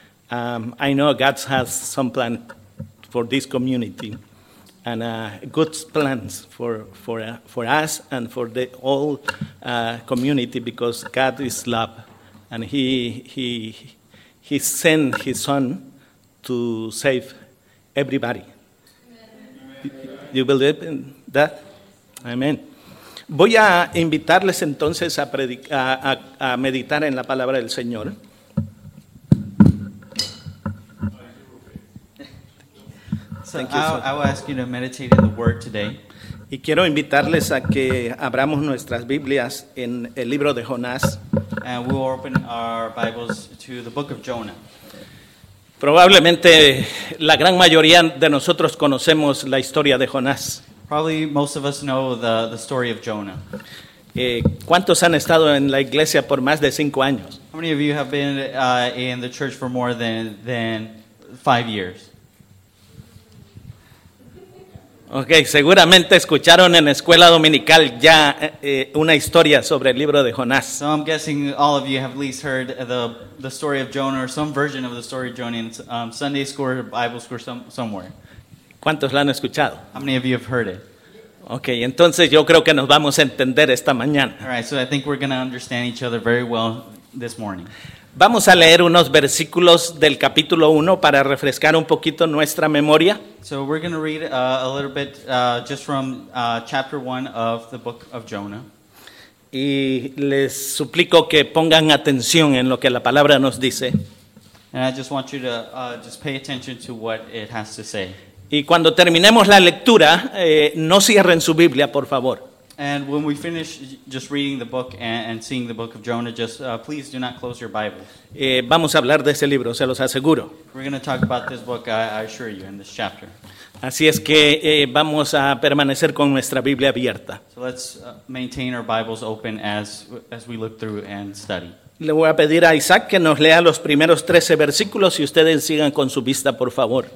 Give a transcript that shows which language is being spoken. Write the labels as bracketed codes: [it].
[en] I know God has some plan for this community and good plans for us and for the whole community, because God is love. And he sent his son to save everybody. You believe in that? Amén. [es] Voy a invitarles entonces a meditar en la palabra del Señor. [en] So I will ask you to meditate in the word today. [es] Y quiero invitarles a que abramos nuestras Biblias en el libro de Jonás. [en] And we will open our Bibles to the book of Jonah. [es] Probablemente la gran mayoría de nosotros conocemos la historia de Jonás. [en] Probably most of us know the story of Jonah. [es] ¿Cuántos han estado en la iglesia por más de 5 años? [en] How many of you have been in the church for more than 5 years? [es] Okay, seguramente escucharon en escuela dominical ya una historia sobre el libro de Jonás. [en] So I'm guessing all of you have at least heard the story of Jonah or some version of the story of Jonah in Sunday school or Bible school somewhere. [es] ¿Cuántos la han escuchado? [en] How many of you have heard it? [es] Okay, entonces yo creo que nos vamos a entender esta mañana. [en] All right, so I think we're going to understand each other very well this morning. [es] Vamos a leer unos versículos del capítulo 1 para refrescar un poquito nuestra memoria. [en] So we're going to read a little bit just from chapter 1 of the book of Jonah. [es] Y les suplico que pongan atención en lo que la palabra nos dice. [en] And I just want you to just pay attention to what it has to say. [es] Y cuando terminemos la lectura, no cierren su Biblia, por favor. [en] And when we finish just reading the book and seeing the book of Jonah, just please do not close your Bible. [es] Vamos a hablar de ese libro, se los aseguro. [en] We're going to talk about this book, I assure you, in this chapter. [es] Así es que vamos a permanecer con nuestra Biblia abierta. [en] So let's maintain our Bibles open as we look through and study. [es] Le voy a pedir a Isaac que nos lea los primeros 13 versículos y ustedes sigan con su vista, por favor.